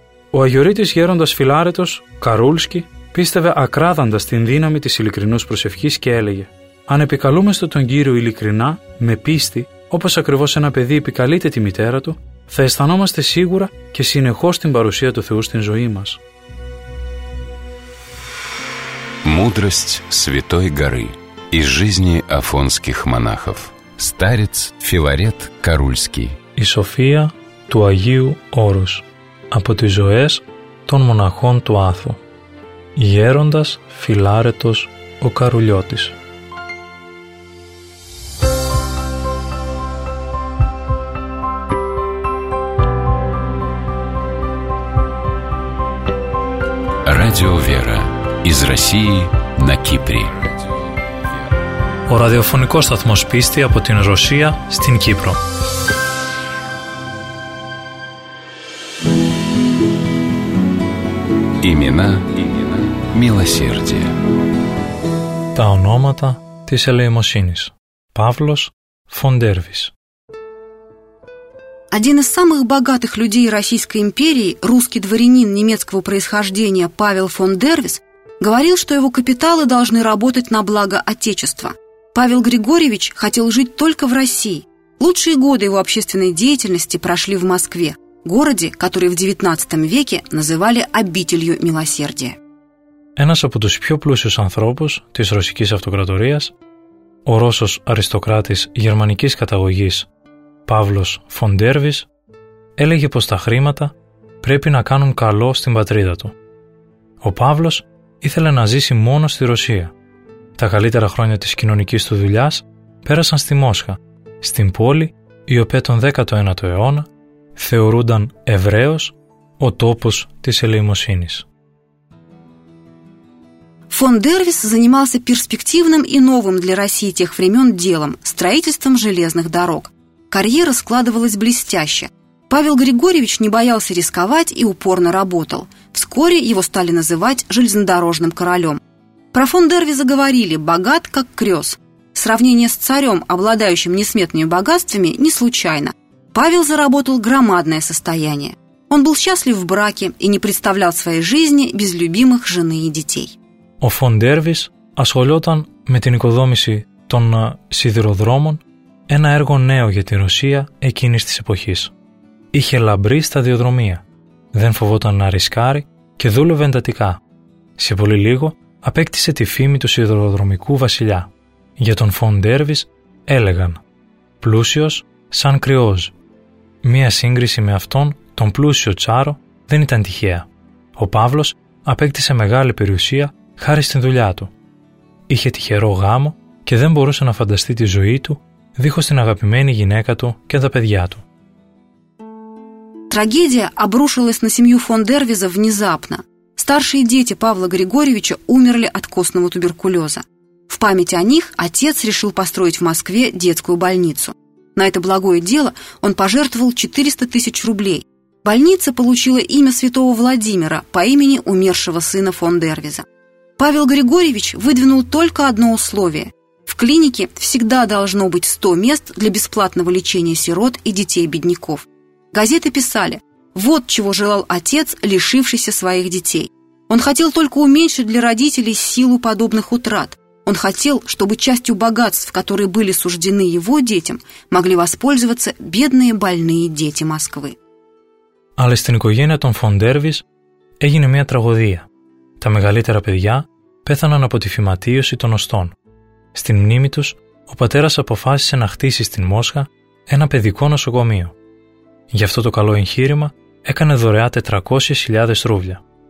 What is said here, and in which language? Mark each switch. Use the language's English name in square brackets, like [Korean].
[Greek] Ο αγιορείτης γέροντας Φιλάρετος, Καρούλσκι, πίστευε ακράδαντα στην δύναμη της ειλικρινούς προσευχής και έλεγε: «Αν επικαλούμαστε τον Κύριο ειλικρινά, με πίστη, όπως ακριβώς ένα παιδί επικαλείται τη μητέρα του, θα αισθανόμαστε σίγουρα και συνεχώς την παρουσία του Θεού στην ζωή μας». [Russian] Мудрость Святой Горы из жизни афонских монахов. Старец Филарет Корульский. [Greek] Η σοφία του Αγίου Όρους. Από τις ζωές των μοναχών του Άθου. Γέροντας Φιλάρετος ο Καρουλιώτης. [Russian] Radio Vera. Из России на Кипре. [Greek] Ο ραδιοφωνικός σταθμός πίστη από την Ρωσία στην Κύπρο. [Russian] Имена милосердия. [Greek] Τα ονόματα της ελεημοσύνης. Παύλος Φοντέρβης. [Russian] Один из самых богатых людей Российской империи, русский дворянин немецкого происхождения Павел фон Дервис, говорил, что его капиталы должны работать на благо Отечества. Павел Григорьевич хотел жить только в России. Лучшие годы его общественной деятельности прошли в Москве, городе, который в XIX веке называли обителью милосердия. [Greek] Ένας από τους πιο πλούσιους ανθρώπους της Ρωσικής Αυτοκρατορίας, ο Ρώσος αριστοκράτης γερμανικής καταγωγής Παύλος Φον Ντέρβις, έλεγε πως τα χρήματα πρέπει να κάνουν καλό στην πατρίδα του. Ο Παύλος ήθελε να ζήσει μόνο στη Ρωσία. Τα καλύτερα χρόνια της κοινωνικής του δουλειάς πέρασαν στη Μόσχα, στην πόλη η οποία τον 19ο αιώνα θεωρούνταν ευρέως ο τόπος της ελεημοσύνης. [Russian] Фон Дервис занимался перспективным и новым для России тех времен делом – строительством железных дорог. Карьера складывалась блестяще. Павел Григорьевич не боялся рисковать и упорно работал. Вскоре его стали называть железнодорожным королем. Про фон Дервиса говорили: «Богат как крёз». Сравнение с царем, обладающим несметными богатствами, не случайно. Павел заработал громадное состояние. Он был счастлив в браке и не представлял своей жизни без любимых жены и детей. [Greek] Ο Φον Ντέρβις ασχολιόταν με την οικοδόμηση των σιδηροδρόμων, ένα έργο νέο για τη Ρωσία εκείνης της εποχής. Είχε λαμπρή σταδιοδρομία, δεν φοβόταν να ρισκάρει και δούλευε εντατικά. Σε πολύ λίγο απέκτησε τη φήμη του σιδηροδρομικού βασιλιά. Για τον Φον Ντέρβις έλεγαν «πλούσιος σαν κρυός». Μία σύγκριση με αυτόν, τον πλούσιο τσάρο, δεν ήταν τυχαία. Ο Παύλος απέκτησε μεγάλη περιουσία χάρη στην δουλειά του. Είχε τυχερό γάμο και δεν μπορούσε να φανταστεί τη ζωή του δίχως την αγαπημένη γυναίκα του και τα παιδιά του. [Russian] Трагедия обрушилась на семью фон Дервиза внезапно. Старшие дети Павла Григорьевича умерли от костного туберкулеза. В память о них отец решил построить в Москве детскую больницу. На это благое дело он пожертвовал 400 тысяч рублей. Больница получила имя святого Владимира по имени умершего сына фон Дервиза. Павел Григорьевич выдвинул только одно условие. В клинике всегда должно быть 100 мест для бесплатного лечения сирот и детей бедняков. Газеты писали: вот чего желал отец, лишившийся своих детей. Он хотел только уменьшить для родителей силу подобных утрат. Он хотел, чтобы частью богатств, которые были суждены его детям, могли воспользоваться бедные больные дети Москвы. [Greek] Але στην οικογένεια των Φον Ντέρβις έγινε μια τραγωδία. Τα μεγαλύτερα παιδιά πέθαναν από τη φυματίωση των οστών. Στην μνήμη τους, ο πατέρας αποφάσισε να χτίσει στην Μόσχα ένα παιδικό νοσοκομείο. Γι' αυτό το καλό εγχείρημα έκανε δωρεά 400.000 ρούβλια.